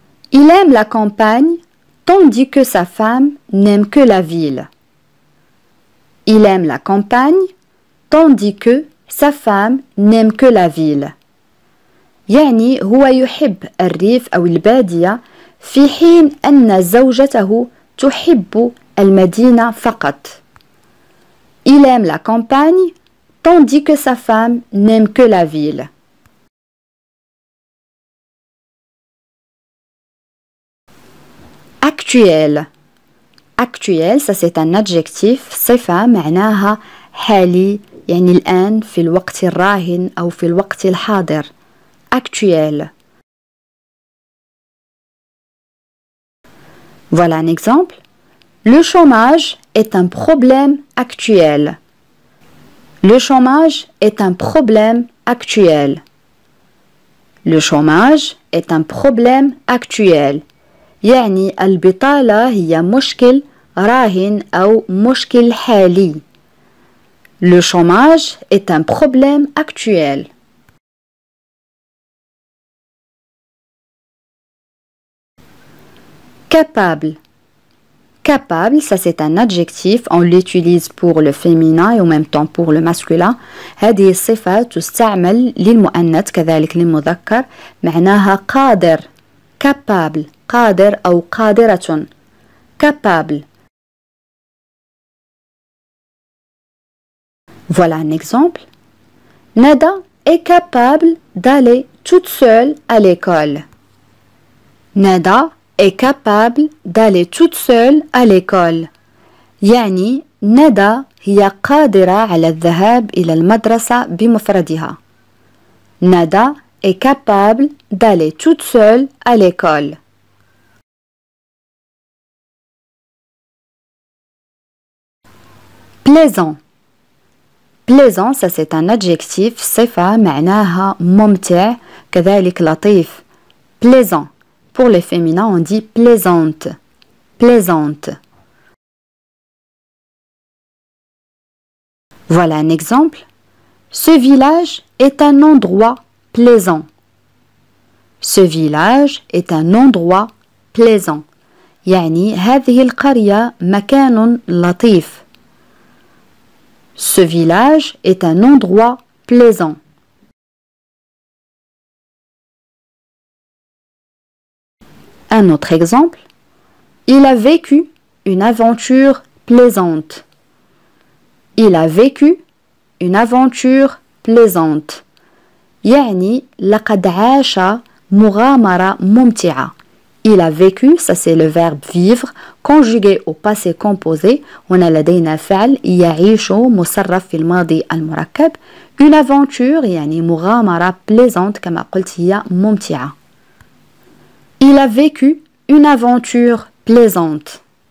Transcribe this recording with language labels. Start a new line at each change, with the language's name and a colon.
French: Il aime la campagne tandis que sa femme n'aime que la ville. Il aime la campagne tandis que sa femme n'aime que la ville.
Arabic: يعني هو يحب الريف أو البادية في حين أن زوجته تحب المدينة فقط.
French: Il aime la campagne tandis que sa femme n'aime que la ville. Actuel, ça c'est un adjectif.
Arabic: صفة معناها حالي يعني الآن في الوقت الراهن أو في الوقت الحاضر.
French: Actuel. Voilà un exemple. Le chômage est un problème actuel. Le chômage est un problème actuel. Le chômage est un problème actuel.
Arabic: يعني البطالة هي مشكل راهن أو مشكل حالي.
French: Le chômage est un problème actuel. Capable, ça c'est un adjectif, on l'utilise pour le féminin et en même temps pour le masculin.
Arabic: هذه الصفة تستعمل للمؤنث كذلك للمذكر معناها قادر. Capable, قادر أو قادرة.
French: Capable. Voilà un exemple. Nada est capable d'aller toute seule à l'école. Nada est capable d'aller toute seule à l'école.
Arabic: يعني Nada هي قادرة على الذهاب إلى المدرسة بمفردها.
French: Nada est capable d'aller toute seule à l'école. Plaisant, ça c'est un adjectif.
Arabic: صفة معناها ممتع كذلك لطيف.
French: Plaisant. Pour les féminins, on dit plaisante. Plaisante. Voilà un exemple. Ce village est un endroit plaisant. Ce village est un endroit plaisant.
Arabic: يعني هذه القرية مكان لطيف.
French: Ce village est un endroit plaisant. Un autre exemple. Il a vécu une aventure plaisante. Il a vécu une aventure plaisante.
Arabic: يعني لقد عاش مغامرة ممتعة.
French: Il a vécu, ça c'est le verbe vivre, conjugué au passé composé. On a
Arabic: لدينا فعل يعيش مصرف في الماضي المركب.
French: Une aventure,
Arabic: يعني مغامرة plaisante, كما قلت هي ممتعة.
French: Il a vécu une aventure plaisante.